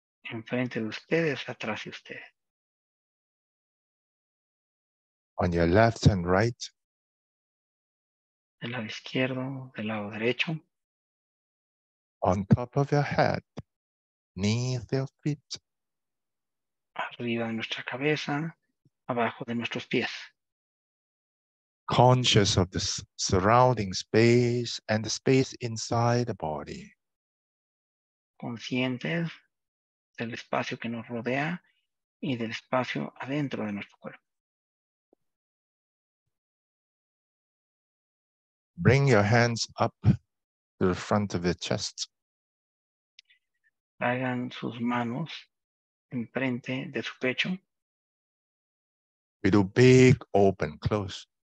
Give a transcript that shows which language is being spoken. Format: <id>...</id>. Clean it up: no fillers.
<es>Enfrente de ustedes, atrás de ustedes.</es> <en>On your left and right.</en> <es>Del lado izquierdo, del lado derecho.</es> <en>On top of your head, beneath your feet.</en> <es>Arriba de nuestra cabeza, abajo de nuestros pies.</es> <en>Conscious of the surrounding space and the space inside the body.</en> <es>Conscientes del espacio que nos rodea y del espacio adentro de nuestro cuerpo.</es> <en>Bring your hands up to the front of your chest.</en> <es>Hagan sus manos enfrente de su pecho.</es> <en>We do big open, close.</en>